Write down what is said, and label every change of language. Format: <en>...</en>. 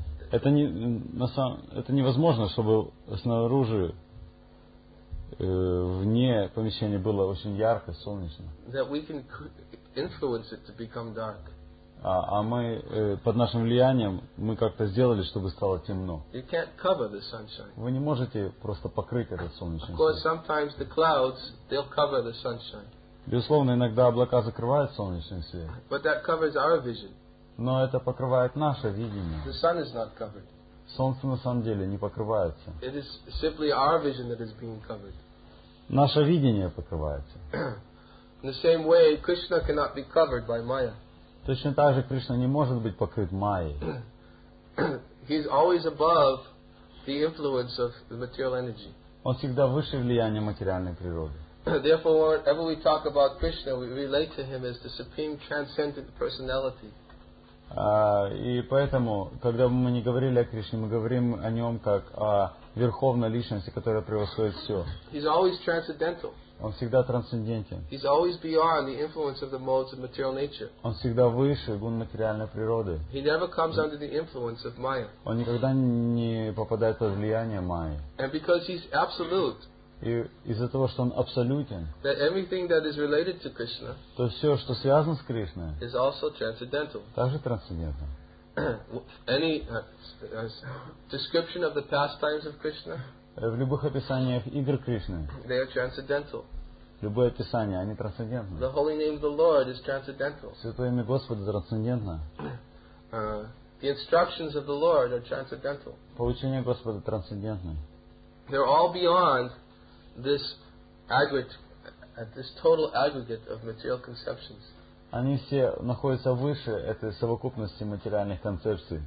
<ru>Это невозможно, чтобы снаружи, вне помещения было очень ярко, солнечно.</ru> <en>That we can influence it to become dark.</en> <ru>А мы под нашим влиянием мы как-то сделали, чтобы стало темно.</ru> <en>You can't cover the sunshine.</en> <ru>Вы не можете просто покрыть этот солнечный свет.</ru> <en>Of course, sometimes the clouds, they'll cover the sunshine.</en> <ru>Безусловно, иногда облака закрывают солнечный свет.</ru> <en>But that covers our vision.</en> <ru>Но это покрывает наше видение.</ru> <en>The sun is not covered.</en> <ru>Солнце на самом деле не покрывается.</ru> <en>It is simply our vision that is being covered.</en> <ru>Наше видение покрывается.</ru> <en>In the same way, Krishna cannot be covered by Maya.</en> <ru>Точно так же Кришна не может быть покрыт майей.</ru> <en>He is always above the influence of the material energy.</en> <ru>Он всегда выше влияния материальной природы.</ru> <en>Therefore, whenever we talk about Krishna, we relate to him as the supreme transcendent personality.</en> <ru>И поэтому, когда мы не говорили о Кришне, мы говорим о нем как о верховной личности, которая превосходит все.</ru> <en>He's always transcendental.</en> <ru>Он всегда трансцендентен.</ru> <en>He's always beyond the influence of the modes of material nature.</en> <ru>Он всегда выше гун материальной природы.</ru> <en>He never comes under the influence of Maya.</en> <ru>Он никогда не попадает под влияние Майи.</ru> <en>And because he's absolute.</en> <ru>И из-за того, что он абсолютен,</ru> <en>that everything that is related to Krishna,</en> <ru>то все, что связано с Кришной,</ru> <en>is also transcendental.</en> <ru>Также трансцендентно.</ru> <en>Any description of the pastimes of Krishna?</en> <ru>В любых описаниях игр Кришны.</ru> <en>They are transcendental.</en> <ru>Любое описание, они трансцендентны.</ru> <en>The holy name of the Lord is transcendental.</en> <ru>Святое имя Господа трансцендентно.</ru> <en>The instructions of the Lord are transcendental.</en> <ru>Поучение Господа трансцендентно.</ru> <en>They're all beyond this aggregate, this total aggregate of material conceptions.</en> <ru>Они все находятся выше этой совокупности материальных концепций.</ru>